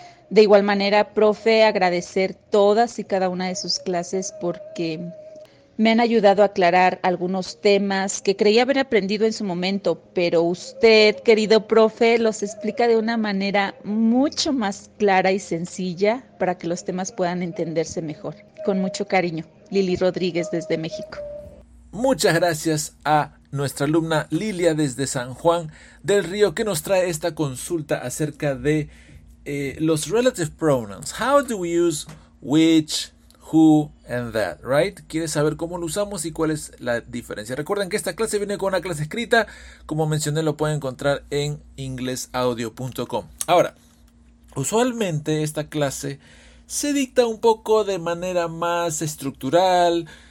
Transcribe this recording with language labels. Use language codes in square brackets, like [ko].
[es] De igual manera, profe, agradecer todas y cada una de sus clases porque me han ayudado a aclarar algunos temas que creía haber aprendido en su momento, pero usted, querido profe, los explica de una manera mucho más clara y sencilla para que los temas puedan entenderse mejor. Con mucho cariño, Lili Rodríguez desde México. Muchas gracias a nuestra alumna Lilia desde San Juan del Río, que nos trae esta consulta acerca de los relative pronouns. [en] How do we use which, who and that, right? [es] ¿Quieres saber cómo lo usamos y cuál es la diferencia? Recuerden que esta clase viene con una clase escrita. Como mencioné, lo pueden encontrar en inglesaudio.com. Ahora, usualmente esta clase se dicta un poco de manera más estructural.